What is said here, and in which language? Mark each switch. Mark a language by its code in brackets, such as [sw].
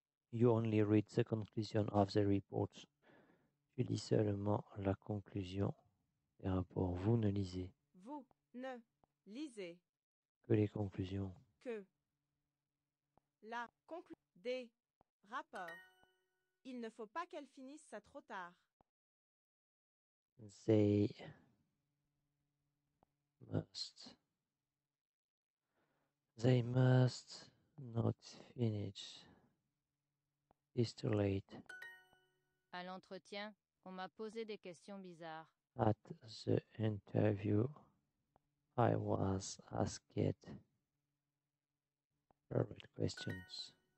[en] You only read the conclusion of the report. [fr] Tu lis seulement la conclusion des rapports. Vous ne lisez. Vous. Ne. Lisez. Que les conclusions. Que. La. Conclusion. Des. Rapports. Il ne faut pas qu'elle finisse ça trop tard. [en] They. Must. They must not finish it's too late. [fr] À l'entretien, on m'a posé des questions bizarres. [en] At the interview, I was asked weird questions.